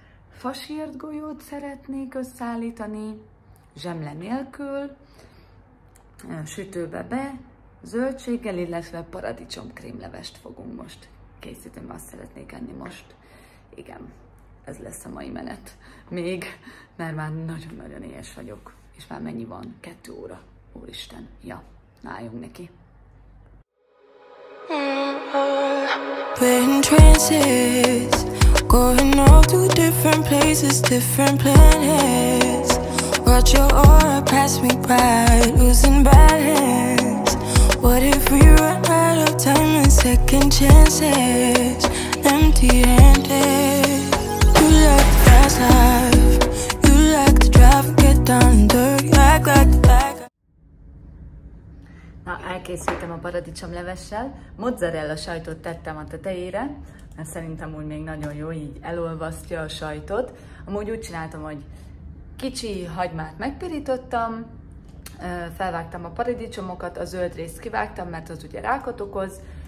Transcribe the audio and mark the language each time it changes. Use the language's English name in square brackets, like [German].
[Hungarian] Fasírt golyót szeretnék összeállítani, zsemle nélkül, sütőbe be, zöldséggel, illetve paradicsom krémlevest fogunk most készíteni, azt szeretnék enni most. Igen, ez lesz a mai menet. Még, mert már nagyon-nagyon éhes vagyok. És már mennyi van? 2 óra. Úristen, ja, álljunk neki. [English] Playing trances, going off to different places, different planets. Watch your aura pass me by, losing balance. What if we run out of time and second chances? Empty-handed. You like the fast life, you like the drive, get down dirty, act like the bag. [Hungarian] Na, elkészültem a paradicsomlevessel. Mozzarella sajtot tettem a tetejére, mert szerintem úgy még nagyon jó, így elolvasztja a sajtot. Amúgy úgy csináltam, hogy kicsi hagymát megpirítottam, felvágtam a paradicsomokat, a zöld részt kivágtam, mert az ugye rákot okoz.